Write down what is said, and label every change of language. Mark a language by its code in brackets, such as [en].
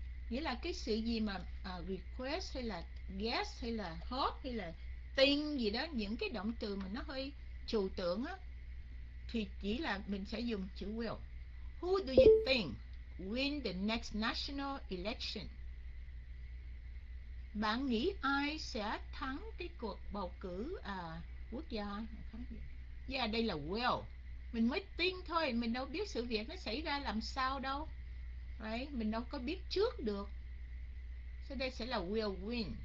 [vi] Nghĩa là cái sự gì mà request hay là guess hay là hope hay là tin gì đó, những cái động từ mà nó hơi trừu tượng á, thì chỉ là mình sẽ dùng chữ will. [en] Who do you think win the next national election? [vi] Bạn nghĩ ai sẽ thắng cái cuộc bầu cử quốc gia? Yeah, đây là will. Mình mới tin thôi, mình đâu biết sự việc nó xảy ra làm sao đâu. Right. Mình đâu có biết trước được. Sau đây sẽ là will win.